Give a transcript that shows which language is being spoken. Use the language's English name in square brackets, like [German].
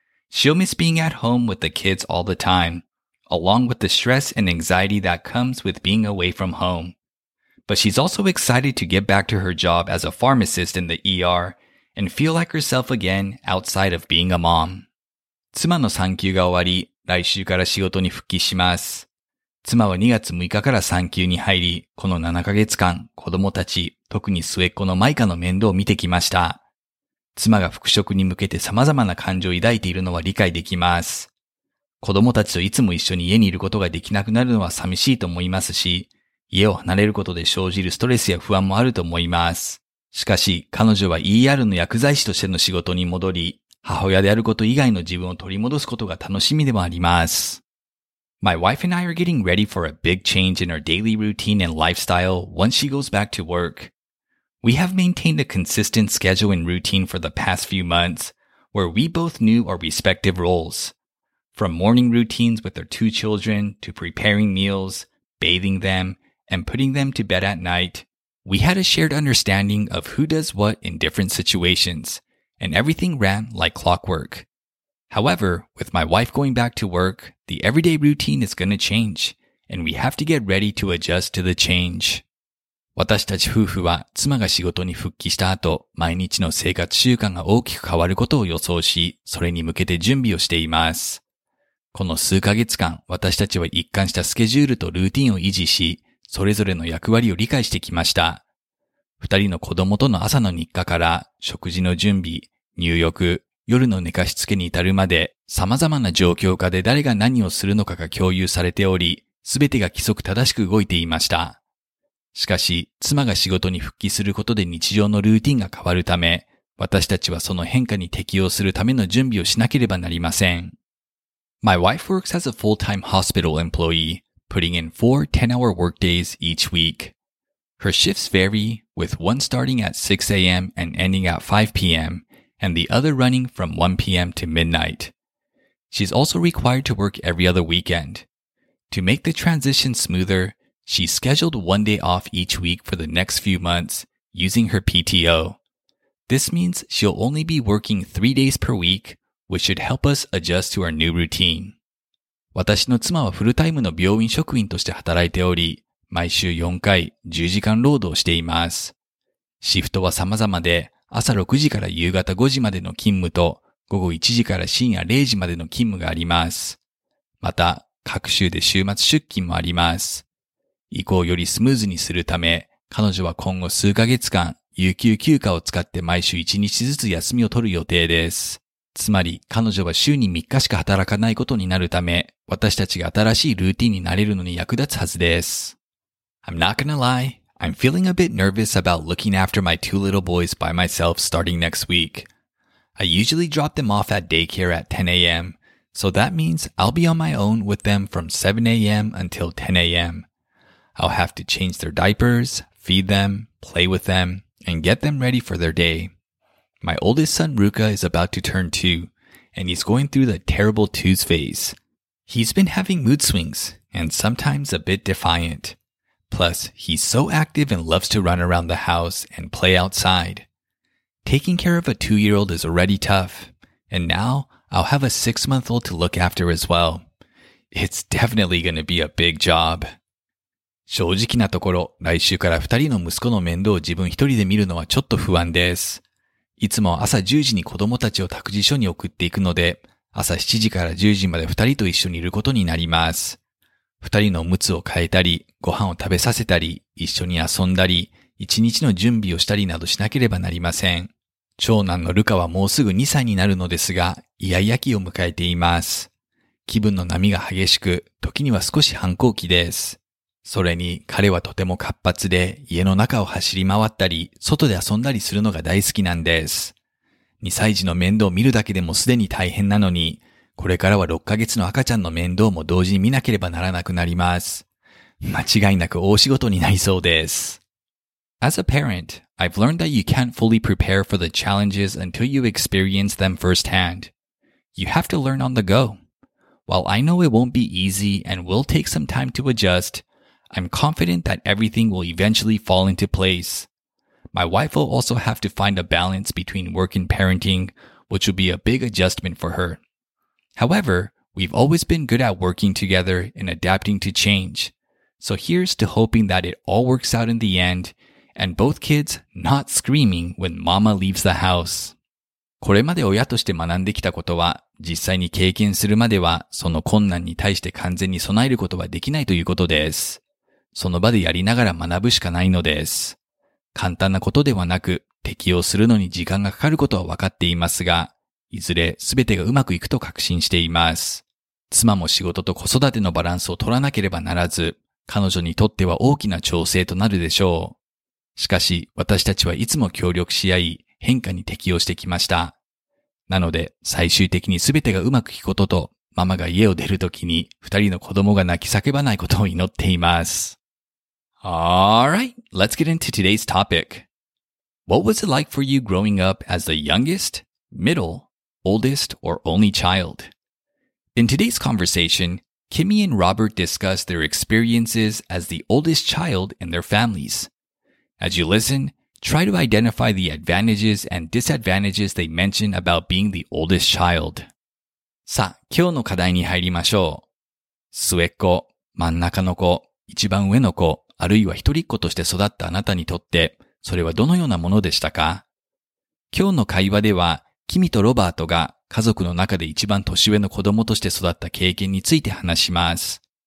[English] She'll miss being at home with the kids all the time, along with the stress and anxiety that comes with being away from home. But she's also excited to get back to her job as a pharmacist in the ER and feel like herself again outside of being a mom. [Japanese] 妻の産休が終わり、来週から仕事に復帰します。妻は2月6日から産休に入り、この7ヶ月間、子供たち、特に末っ子のマイカの面倒を見てきました。妻が復職に向けて様々な感情を抱いているのは理解できます。子供たちといつも一緒に家にいることができなくなるのは寂しいと思いますし、家を離れることで生じるストレスや不安もあると思います。しかし、彼女は ER の薬剤師としての仕事に戻り、母親であること以外の自分を取り戻すことが楽しみでもあります。 [English] My wife and I are getting ready for a big change in our daily routine and lifestyle once she goes back to work. We have maintained a consistent schedule and routine for the past few months, where we both knew our respective roles. From morning routines with our two children to preparing meals, bathing them, and putting them to bed at night, we had a shared understanding of who does what in different situations, and everything ran like clockwork. However, with my wife going back to work, the everyday routine is going to change, and we have to get ready to adjust to the change. [Japanese] 私たち夫婦は妻が仕事に復帰した後、毎日の生活習慣が大きく変わることを予想し、それに向けて準備をしています。この数ヶ月間、私たちは一貫したスケジュールとルーティンを維持し、それぞれの役割を理解してきました。二人の子供との朝の日課から、食事の準備、入浴、夜の寝かしつけに至るまで、様々な状況下で誰が何をするのかが共有されており、すべてが規則正しく動いていました。しかし、妻が仕事に復帰することで日常のルーティンが変わるため、私たちはその変化に適応するための準備をしなければなりません。 [English] My wife works as a full-time hospital employee, putting in 4 10-hour workdays each week. Her shifts vary, with one starting at 6 a.m. and ending at 5 p.m., and the other running from 1 p.m. to midnight. She's also required to work every other weekend. To make the transition smoother, she scheduled one day off each week for the next few months, using her PTO. This means she'll only be working 3 days per week,which should help us adjust to our new routine. [Japanese] 私の妻はフルタイムの病院職員として働いており、毎週4回10時間労働しています。シフトは様々で、朝6時から夕方5時までの勤務と、午後1時から深夜0時までの勤務があります。また、各週で週末出勤もあります。移行をよりスムーズにするため、彼女は今後数ヶ月間、有給休暇を使って毎週1日ずつ休みを取る予定です。つまり、彼女は週に3日しか働かないことになるため、私たちが新しいルーティンになれるのに役立つはずです。 [English] I'm not gonna lie, I'm feeling a bit nervous about looking after my two little boys by myself starting next week. I usually drop them off at daycare at 10 a.m., so that means I'll be on my own with them from 7 a.m. until 10 a.m. I'll have to change their diapers, feed them, play with them, and get them ready for their day. My oldest son, Ruka, is about to turn 2, and he's going through the terrible twos phase. He's been having mood swings, and sometimes a bit defiant. Plus, he's so active and loves to run around the house and play outside. Taking care of a 2-year-old is already tough, and now I'll have a 6-month-old to look after as well. It's definitely going to be a big job. [Japanese] 正直なところ、来週から二人の息子の面倒を自分一人で見るのはちょっと不安です。いつも朝10時に子供たちを託児所に送っていくので、朝7時から10時まで二人と一緒にいることになります。二人のおむつを替えたり、ご飯を食べさせたり、一緒に遊んだり、一日の準備をしたりなどしなければなりません。長男のルカはもうすぐ2歳になるのですが、イヤイヤ期を迎えています。気分の波が激しく、時には少し反抗期です。それに彼はとても活発で、家の中を走り回ったり、外で遊んだりするのが大好きなんです。 2歳児の面倒を見るだけでもすでに大変なのに、これからは6ヶ月の赤ちゃんの面倒も同時に見なければならなくなります。間違いなく大仕事になりそうです。 [English] As a parent, I've learned that you can't fully prepare for the challenges until you experience them firsthand. You have to learn on the go. While I know it won't be easy and will take some time to adjust, I'm confident that everything will eventually fall into place. My wife will also have to find a balance between work and parenting, which will be a big adjustment for her. However, we've always been good at working together and adapting to change. So here's to hoping that it all works out in the end,And both kids not screaming when mama leaves the house. [Japanese] これまで親として学んできたことは、実際に経験するまでは、その困難に対して完全に備えることはできないということです。その場でやりながら学ぶしかないのです。簡単なことではなく、適応するのに時間がかかることは分かっていますが、いずれ全てがうまくいくと確信しています。妻も仕事と子育てのバランスを取らなければならず、彼女にとっては大きな調整となるでしょう。しかし、私たちはいつも協力し合い、変化に適応してきました。なので、最終的に全てがうまくいくことと、ママが家を出るときに、二人の子供が泣き叫ばないことを祈っています。 [English] Alright, let's get into today's topic. What was it like for you growing up as the youngest, middle, oldest, or only child? In today's conversation, Kimmy and Robert discuss their experiences as the oldest child in their families. As you listen, try to identify the advantages and disadvantages they mention about being the oldest child. [Japanese] さあ、今日の課題に入りましょう。末っ子、真ん中の子、一番上の子、あるいは一人っ子として育ったあなたにとって、それはどのようなものでしたか？今日の会話では、君とロバートが家族の中で一番年上の子供として育った経験について話します。